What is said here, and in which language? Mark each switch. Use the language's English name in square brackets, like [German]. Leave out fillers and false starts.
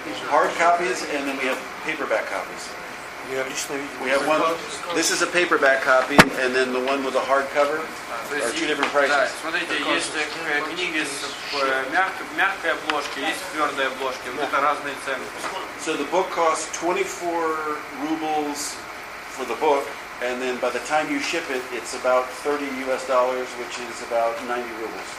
[English] Hard copies, and then we have paperback copies. We have one. This is a paperback copy, and then the one with a hardcover are two different prices. [Russian] Да, смотрите, есть книги с мягкой обложкой, есть твердой обложкой. Это разные цены. [English] So the book costs 24 rubles for the book. And then by the time you ship it, it's about $30, which is about 90 rubles.